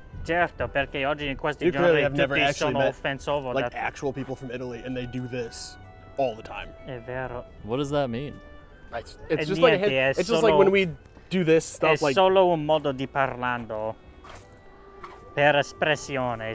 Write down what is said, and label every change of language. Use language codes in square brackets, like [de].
[it] Certo, perché oggi in questi giorni tutti sono offensivo. [en] Like actual people from Italy, and they do this all the time. [it] È vero. [en] What does that mean? It's just like when we do this stuff. [it] È solo un modo di parlando per espressione.